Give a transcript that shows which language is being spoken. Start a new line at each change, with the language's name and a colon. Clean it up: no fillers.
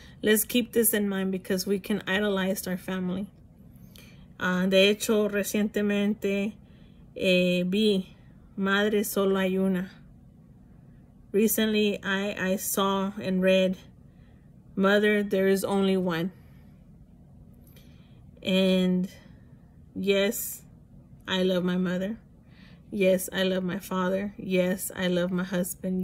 English: Let's keep this in mind because we can idolize our family.
Spanish: De hecho, recientemente vi Madre Solo Hay Una.
English: Recently, I saw and read Mother, There Is Only One. And yes, I love my mother. Yes, I love my father. Yes, I love my husband.